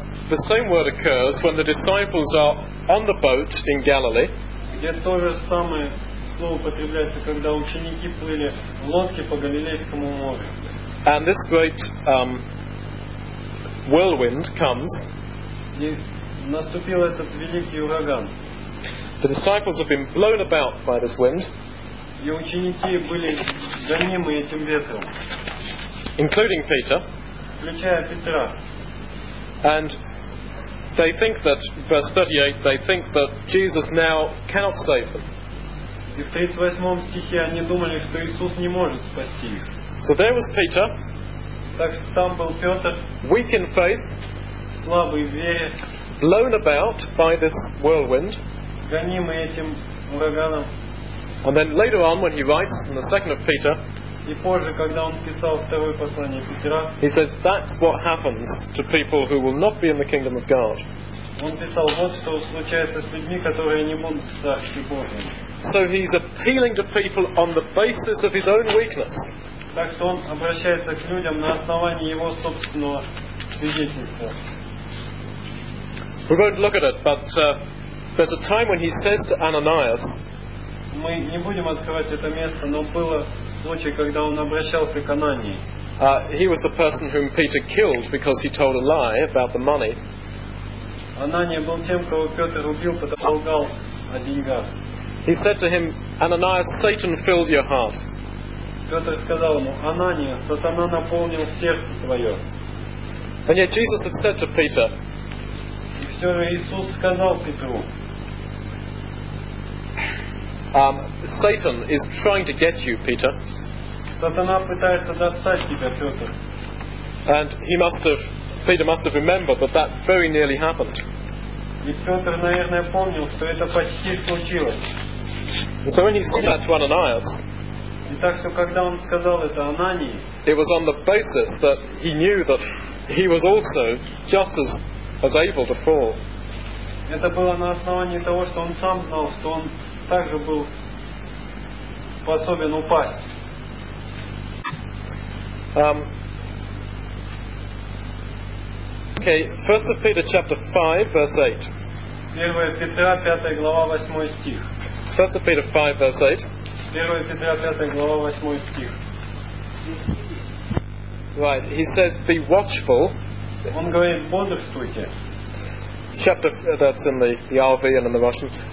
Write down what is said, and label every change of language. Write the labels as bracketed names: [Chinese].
[English] The same word occurs when the disciples are on the boat in Galilee. [Russian] Где то же самое слово употребляется, когда ученики плыли в лодке по Галилейскому морю. [English] And this great whirlwind comes. [Russian] И наступил этот великий ураган. [English] The disciples have been blown about by this wind, [Russian] и ученики были гонимы этим ветром, [English] including Peter, [Russian] включая Петра. [English] And they think that, verse 38, they think that Jesus now cannot save them. [Russian] И в 38 стихе они думали, что Иисус не может спасти их. [English] So there was Peter. [Russian] Так что там был Петр. [English] Weak in faith. [Russian] Слабый в вере. [English] Blown about by this whirlwind. [Russian] Гонимый этим ураганом. [English] And then later on, when he writes in the second of Peter, [Russian] и позже, когда он писал второе послание Петра, [English] he says that's what happens to people who will not be in the kingdom of God. [Russian] Он писал, вот что случается с людьми, которые не будут в Царстве Божьем. [English] So he's appealing to people on the basis of his own weakness. [Russian] Так что он обращается к людям на основании его собственного свидетельства. [English] We won't look at it, but there's a time when he says to Ananias, [Russian] мы не будем открывать это место, но был случай, когда он обращался к Анании. [English] He was the person whom Peter killed because he told a lie about the money. [Russian] Анания был тем, кого Петр убил, потому что лгал о деньгах. [English] He said to him, Ananias, Satan filled your heart. [Russian] Петр сказал ему, Анания, сатана наполнил сердце твое. [English] And yet Jesus had said to Peter, [Russian] и все же Иисус сказал Петру, [English] Satan is trying to get you, Peter. [Russian] Сатана пытается достать тебя, Петр. [English] And Peter must have remembered that that very nearly happened. [Russian] И Петр, наверное, помнил, что это почти случилось. [English] And so when he said that to Ananias, [Russian] так что, когда он сказал это Анании, [English] it was on the basis that he knew that he was also just as able to fall. [Russian] Это было на основании того, что он сам знал, что он также был способен упасть. [English] Okay, 1 Peter chapter 5, verse 8. [Russian] 1 Петра, 5 глава, 8 стих. [English] 1 Peter 5, verse 8. [Russian] 1 Петра, 5 глава, 8 стих. [English] Right, he says, be watchful. [Russian] Он говорит, бодрствуйте. [English] Chapter that's in the RV and in the Russian.